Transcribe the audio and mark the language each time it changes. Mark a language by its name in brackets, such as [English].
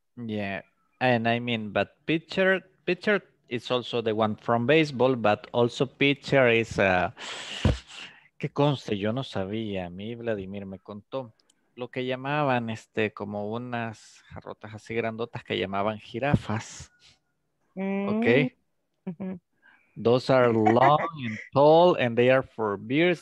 [English] Yeah, and I mean, but pitcher is also the one from baseball, but also pitcher is a... [Spanish] Que conste, yo no sabía, a mí Vladimir me contó lo que llamaban como unas jarrotas así grandotas que llamaban jirafas. [English] Okay. Those are long and tall and they are for beers.